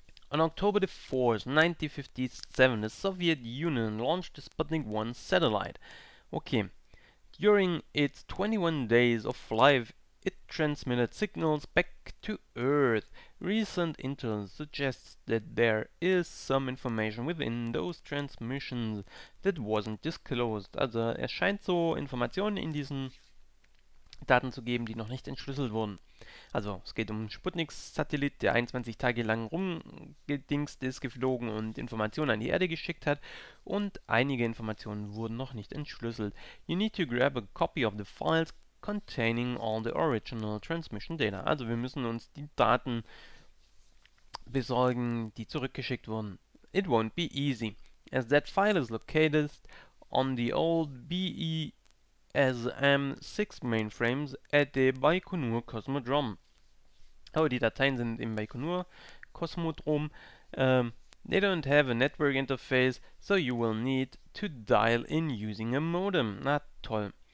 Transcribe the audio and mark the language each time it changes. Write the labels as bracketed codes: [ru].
[en] On October the 4th, 1957, the Soviet Union launched the Sputnik 1 satellite. Okay. During its 21 days of flight, it transmitted signals back to Earth. Recent intel suggests that there is some information within those transmissions that wasn't disclosed. [de] Also, es scheint so Informationen in diesen Daten zu geben, die noch nicht entschlüsselt wurden. Also, es geht um einen Sputnik-Satellit, der 21 Tage lang rumgedingst ist, geflogen und Informationen an die Erde geschickt hat. Und einige Informationen wurden noch nicht entschlüsselt. [en] You need to grab a copy of the files containing all the original transmission data. [de] Also, wir müssen uns die Daten besorgen, die zurückgeschickt wurden. [en] It won't be easy. As that file is located on the old BESM-6 mainframes at the Baikonur Cosmodrome. [de] Oh, die Dateien sind im Baikonur Cosmodrome. [en] They don't have a network interface, so you will need to dial in using a modem. [de] Na toll.